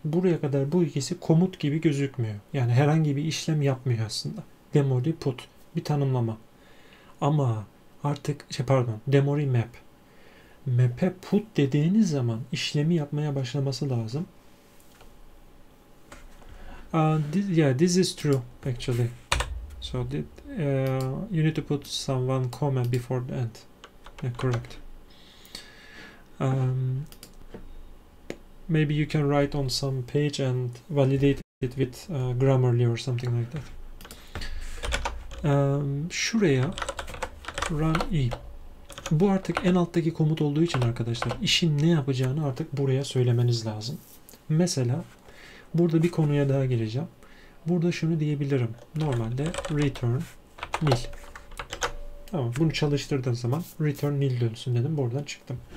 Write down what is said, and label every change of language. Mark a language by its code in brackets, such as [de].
[tr] Buraya kadar bu ikisi komut gibi gözükmüyor. Yani herhangi bir işlem yapmıyor aslında. Demori put. Bir tanımlama. Ama artık şey pardon. Demori map. Map'e put dediğiniz zaman işlemi yapmaya başlaması lazım. [en] Yeah, this is true actually. So you need to put some one comma before the end. Yeah, correct. Maybe you can write on some page and validate it with Grammarly or something like that. [tr] Şuraya run i. Bu artık en alttaki komut olduğu için arkadaşlar işin ne yapacağını artık buraya söylemeniz lazım. Mesela burada bir konuya daha gireceğim. Burada şunu diyebilirim. Normalde return nil. Tamam, bunu çalıştırdığım zaman return nil dönsün dedim. Buradan çıktım.